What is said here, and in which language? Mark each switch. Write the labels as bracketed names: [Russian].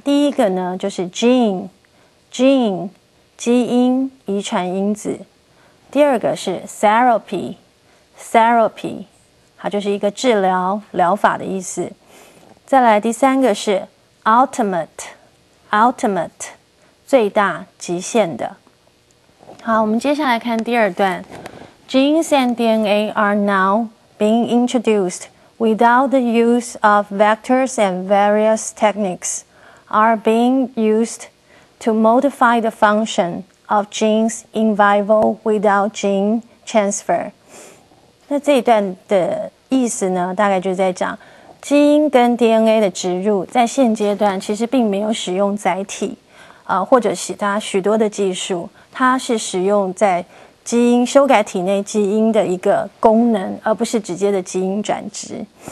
[Chinese] 第一个呢就是 gene 基因遗传因子，第二个是 therapy 它就是一个治疗疗法的意思，再来第三个是 ultimate 最大极限的。好，我们接下来看第二段。 [English] Genes and DNA are now being introduced without the use of vectors and various techniques are being used to modify the function of genes in vivo without gene transfer. [Chinese] 那这一段的意思呢，大概就在讲基因跟 DNA 的植入在现阶段其实并没有使用载体或者其他许多的技术，它是使用在基因修改体内基因的一个功能，而不是直接的基因转植。